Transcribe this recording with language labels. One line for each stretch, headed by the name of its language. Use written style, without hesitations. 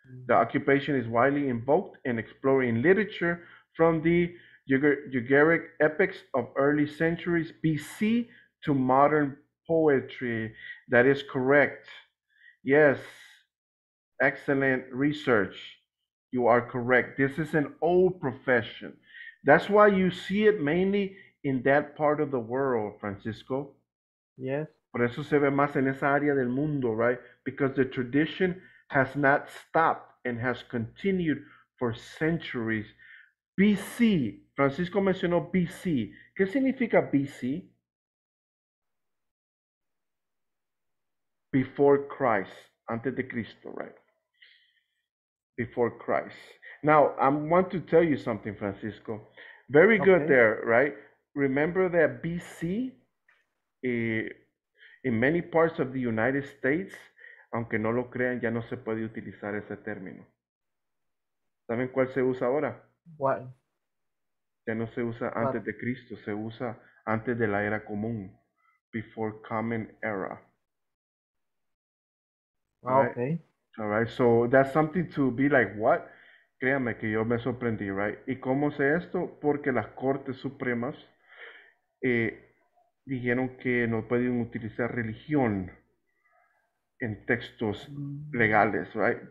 English: The occupation is widely invoked and explored in literature from the Ugaritic epics of early centuries BC to modern poetry. That is correct. Yes, excellent research. You are correct. This is an old profession. That's why you see it mainly in that part of the world, Francisco. Yes.
Spanish: Por eso se ve más en esa área del mundo, right?
English: Because the tradition has not stopped and has continued for centuries.
Spanish: BC, Francisco mencionó BC. ¿Qué significa BC?
English: Before Christ,
Spanish: antes de Cristo,
English: right? Before Christ. Now, I want to tell you something, Francisco. Very good there, right? Remember that BC, in many parts of the United States,
Spanish: aunque no lo crean, ya no se puede utilizar ese término. ¿Saben cuál se usa ahora?
English: What?
Spanish: Ya no se usa antes de Cristo, se usa antes de la era común.
English: Before common era. Okay. All right, so that's something to be like, what?
Spanish: Créanme que yo me sorprendí, right? ¿Y cómo sé esto? Porque las Cortes Supremas dijeron que no pueden utilizar religión en textos legales, right?